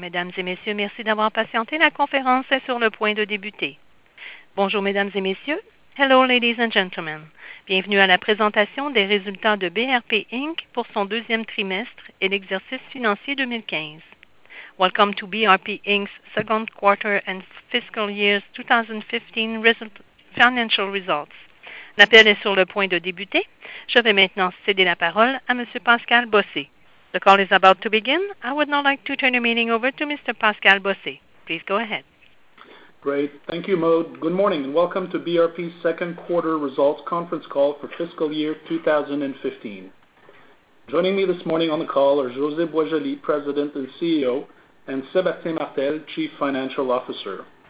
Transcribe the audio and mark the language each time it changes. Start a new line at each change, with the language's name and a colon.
French: Mesdames et messieurs, merci d'avoir patienté. La conférence est sur le point de débuter. Bonjour, mesdames et messieurs.
English: Hello, ladies and gentlemen.
French: Bienvenue à la présentation des résultats de BRP Inc. pour son deuxième trimestre et l'exercice financier 2015.
English: Welcome to BRP Inc.'s second quarter and fiscal year's 2015 financial results.
French: L'appel est sur le point de débuter. Je vais maintenant céder la parole à M. Pascal Bossé.
English: The call is about to begin. I would now like to turn the meeting over to Mr. Pascal Bossé. Please go ahead. Great. Thank you, Maude. Good morning and welcome to BRP's second quarter results conference call for fiscal year 2015. Joining me this morning on the call are José Boisjoli, President and CEO, and Sébastien Martel, Chief Financial Officer.